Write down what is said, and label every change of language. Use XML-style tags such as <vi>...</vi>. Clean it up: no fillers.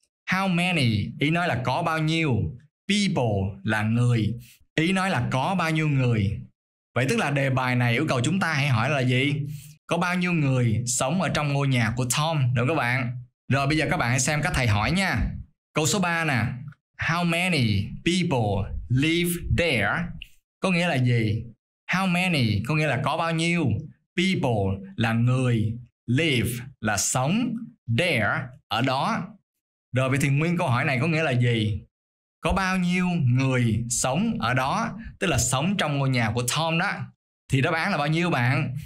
<en>How many,</en> <vi>ý nói là có bao nhiêu. People là người, ý nói là có bao nhiêu người. Vậy tức là đề bài này yêu cầu chúng ta hãy hỏi là gì? Có bao nhiêu người sống ở trong ngôi nhà của Tom, đúng không các bạn? Rồi bây giờ các bạn hãy xem cách thầy hỏi nha. Câu số 3 nè.</vi> <en>How many people live there?</en> <vi>Có nghĩa là gì?</vi> <en>How many</en> <vi>có nghĩa là có bao nhiêu. People là người. Live là sống. There, ở đó. Rồi vậy thì nguyên câu hỏi này có nghĩa là gì? Có bao nhiêu người sống ở đó? Tức là sống trong ngôi nhà của Tom đó. Thì đáp án là bao nhiêu bạn?</vi>